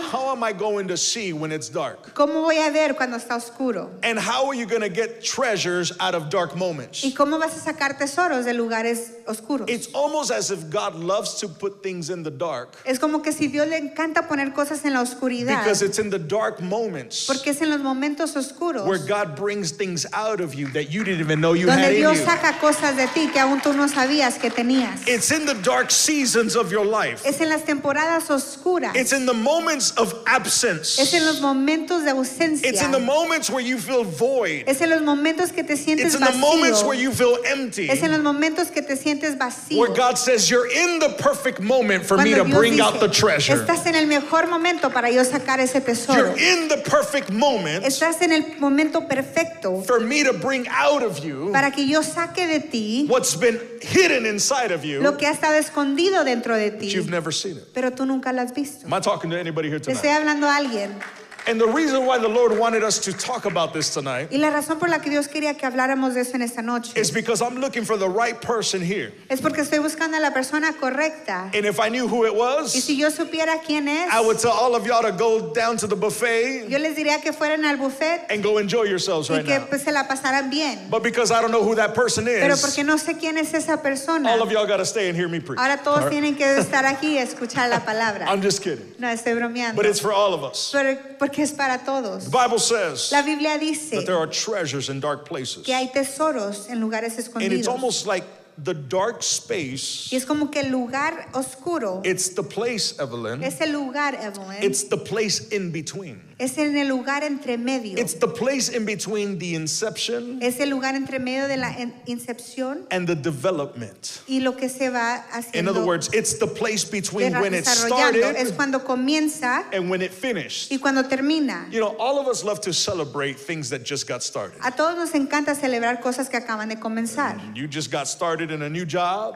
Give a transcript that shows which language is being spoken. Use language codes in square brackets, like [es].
[en] how am I going to see when it's dark? [es] ¿Cómo voy a ver cuando está oscuro? [en] And how are you going to get treasures out of dark moments? [es] ¿Y cómo vas a sacar tesoros de lugares oscuros? [en] It's almost as if God loves to put things in the dark. [es] Es como que si Dios le encanta poner cosas en la oscuridad. [en] Because it's in the dark moments. [es] Porque es en los momentos oscuros. [en] Where God brings things out of you that you didn't even know you [es] donde [en] had [es] Dios [en] in you. [es] Donde Dios saca cosas de ti que aún tú no sabías que tenías. [en] It's in the dark seasons of your life. [es] Es en las temporadas oscuras. [en] It's in the moments of absence. [es] Es en los momentos de ausencia. [en] It's in the moments where you feel void. [es] Es en los momentos que te sientes [en] it's [es] vacío. [en] In the moments where you feel empty. [es] Es en los momentos que te sientes vacío. [en] Where God says you're in the perfect moment for [es] cuando [en] me to [es] Dios [en] bring [es] dice, [en] out the treasure. [es] Estás en el mejor momento para yo sacar ese tesoro. [en] You're in the perfect moment. [es] Estás en el momento perfecto. [en] For me to bring out of you. [es] Para que yo saque de ti. [en] What's been hidden inside of you. [es] Lo que ha estado escondido dentro de ti. [en] But you've never seen it. [es] Pero tú nunca lo has visto. [en] Am I talking to anybody here tonight? [es] Te estoy hablando a alguien. [en] And the reason why the Lord wanted us to talk about this tonight. [es] Y la razón por la que Dios quería que habláramos de eso en esta noche. [en] Is because I'm looking for the right person here. [es] Es porque estoy buscando a la persona correcta. [en] And if I knew who it was. [es] Y si yo supiera quién es. [en] I would tell all of y'all to go down to the buffet. [es] Yo les diría que fueran al buffet. [en] And go enjoy yourselves right now. [es] Y que pues se la pasaran bien. [en] But because I don't know who that person is. [es] Pero porque no sé quién es esa persona. [en] All of y'all got to stay and hear me preach. [es] Ahora todos tienen que estar aquí y escuchar la palabra. [en] I'm just kidding. [es] No estoy bromeando. [en] But it's for all of us. [es] Que es para todos. [en] The Bible says [es] la Biblia dice [en] that there are treasures in dark places. [es] Que hay tesoros en lugares escondidos. [en] And it's almost like the dark space. [es] Y es como que el lugar oscuro. [en] It's the place, Evelyn. [es] Es el lugar, Evelyn. [en] It's the place in between. [es] Es en el lugar entre medio. [en] It's the place in between the inception. [es] Es el lugar entre medio de la incepción. [en] And the development. [es] Y lo que se va haciendo. [en] In other words, it's the place between when it started. [es] Es cuando comienza. [en] And when it finished. [es] Y cuando termina. [en] You know, all of us love to celebrate things that just got started. [es] A todos nos encanta celebrar cosas que acaban de comenzar. [en] You just got started in a new job.